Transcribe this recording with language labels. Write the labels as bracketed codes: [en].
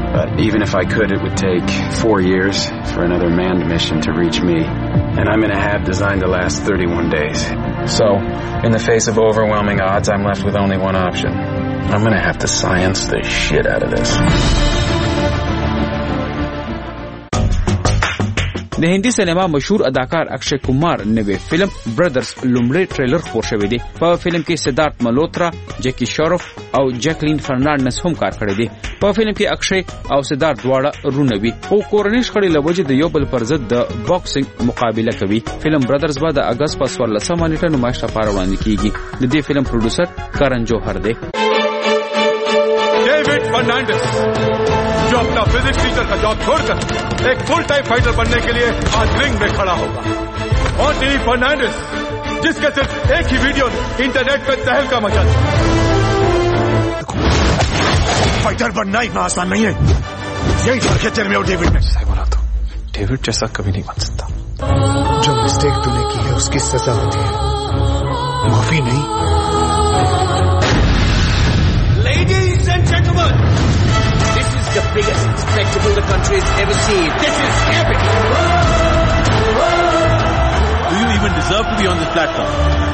[en] But even if I could, it would take 4 years for another manned mission to reach me. And I'm in a hab designed to last 31 days. So, in the face of overwhelming odds, I'm left with only one option. I'm going to have to science the shit out of this. [ps] د هندي سینما مشهور اداکار اکشے کمار نوې فلم برادرز لومړی ټریلر خپور شوی دی. په فلم کې سدارت ملوترا، جیکی شروف او جیکلین فرنانډس هم کار کړی دی. په فلم کې اکشے او سدارت دواړه رونه وي، خو کورنۍ شخړې له وجې د یو بل پر ضد د باکسنګ مقابله کوي. فلم برادرز به د اګست په 14 نیټه نمایښ ته پاره وړاندې کیږي. د دې فلم پروډوسر کرن جوهر دی. [ur] جو اپنا فزکس ٹیچر کا جاب چھوڑ کر ایک فل ٹائم فائٹر بننے کے لیے آج رنگ میں کھڑا ہوگا، اور ڈی فرنانڈس جس کے صرف ایک ہی ویڈیو نے انٹرنیٹ پہ تہلکہ مچا دیا. فائٹر بننا اتنا آسان نہیں ہے، یہی فرق ہے تیرے میں اور ڈیوڈ میں. صحیح بولا، تو ڈیوڈ جیسا کبھی نہیں بن سکتا. جو مسٹیک تو نے کی ہے اس کی سزا ہوتی ہے، معافی نہیں. [en] Ladies and gentlemen, the biggest spectacle the country has ever seen. This is epic. Do you even deserve to be on this platform?